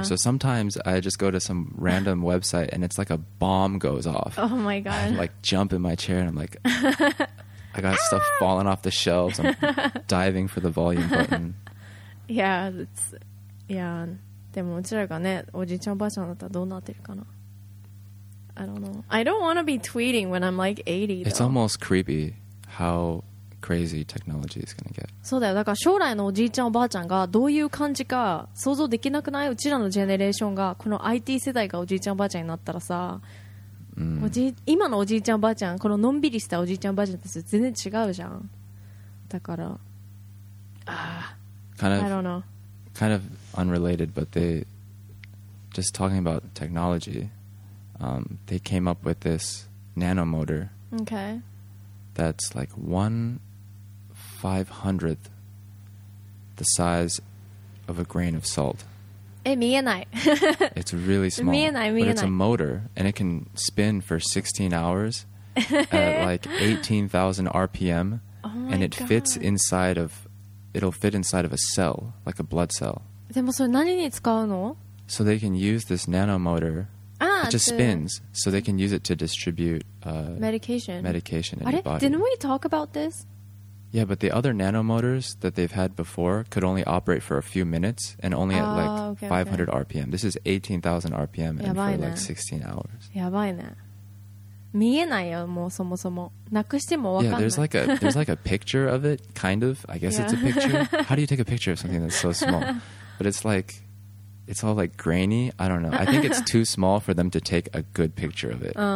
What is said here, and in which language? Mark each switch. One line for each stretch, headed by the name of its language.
English: Yeah. So sometimes I just go to some random website and it's like a bomb goes off. Oh my God. I like jump in my chair and I'm like, I got stuff falling off the shelves. I'm diving for the volume button. Yeah, it's, yeah.
Japanese: でもうちらがね、おじいちゃんおばあちゃんだったらどうなってるかな。
English: I don't know. I don't want to be tweeting when I'm like 80, though. It's almost creepy how crazy technology is going to get.
Japanese: そうだよ。だから将来のおじいちゃんおばあちゃんがどういう感じか想像できなくない？うちらのジェネレーションがこの IT 世代がおじいちゃんおばあちゃんになったらさ、 mm. おじ今のおじいちゃんおばあちゃん、こののんびりしたおじいちゃんおばあちゃんと全然違うじゃん。だから、
English: kind of, I don't know. Kind of unrelated, but they just talking about technology. They came up with this nanomotor. Okay. That's like 1/500th the size of a grain of salt.
Japanese: え、見えない。
English: It's really small.
Japanese: 見えない、見えない。
English: But it's a motor, and it can spin for 16 hours at like 18,000 RPM. Oh my and it God. Fits inside of, it'll fit inside of a cell, like a blood cell.
Japanese: でもそれ何に使うの?
English: So they can use this nanomotor. It just spins, so they can use it to distribute medication in your body. Didn't we talk about this? Yeah, but the other nanomotors that they've had before could only operate for a few minutes and only at like 500 RPM. This is 18,000 RPM and for like 16 hours.
Japanese: やばいね。見えないよ、もうそもそも。なくしてもわかんない。
English: Yeah, there's like a picture of it, kind of. I guess it's a picture. How do you take a picture of something that's so small? But it's like... It's all like grainy. I don't know. I think it's too small for them to take a good picture of it.